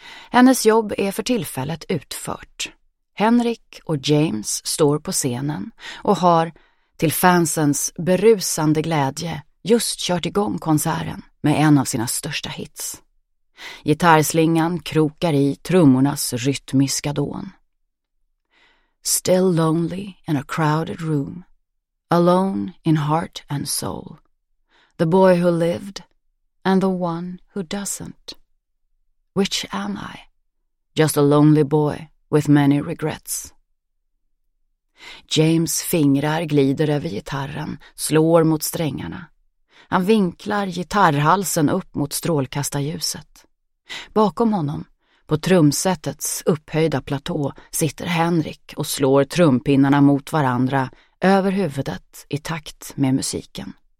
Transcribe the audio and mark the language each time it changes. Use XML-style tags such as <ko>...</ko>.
<sv>Hennes jobb är för tillfället utfört. Henrik och James står på scenen och har, till fansens berusande glädje, just kört igång konserten med en av sina största hits. Gitarrslingan krokar i trummornas rytmiska dån.</sv> <en>Still lonely in a crowded room, alone in heart and soul. The boy who lived and the one who doesn't. Which am I? Just a lonely boy with many regrets.</en> <sv>James fingrar glider över gitarren, slår mot strängarna. Han vinklar gitarrhalsen upp mot strålkastarljuset. Bakom honom, på trumsättets upphöjda platå, sitter Henrik och slår trumpinnarna mot varandra över huvudet i takt med musiken.</sv>